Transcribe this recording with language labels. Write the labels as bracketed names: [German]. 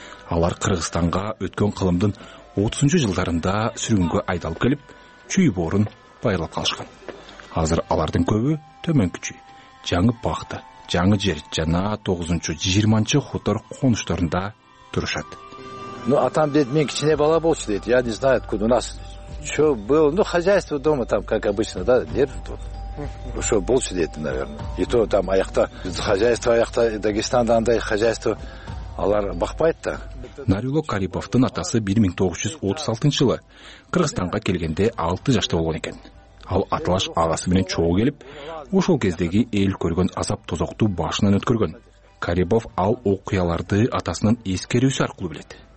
[Kyrgyz] Алар Кыргызстанга өткөн кылымдын 30-жу жылдарында сүрүнгө айдалып келип, чүй боорун байлап калышкан. Азыр алардын көбү төмөнкү чүй, жаңы пахта, жаңы жер жана 9-20 хутор конушторунда турушат. Ну, атам деди, мен кичине бала болчу деди. [Russian] Я не знаю, откуда у нас что было, ну, хозяйство дома там, как обычно, да, держит вот. [Kyrgyz] Ошо болчу деди, [Russian] наверное. И то там [Kyrgyz] аякта хозяйство, аякта Дагестанда андай хозяйство алар бакпайт да. Нарило Карибовдун атасы 1936 жылы Кыргызстанга келгенде 6 жашта болгон экен. Ал аталаш агасы менен чогуу келип, ошол кездеги эл көргөн азап тозокту башынан өткөргөн. Карибов ал окуяларды атасынын эскерүүсү аркылуу билет.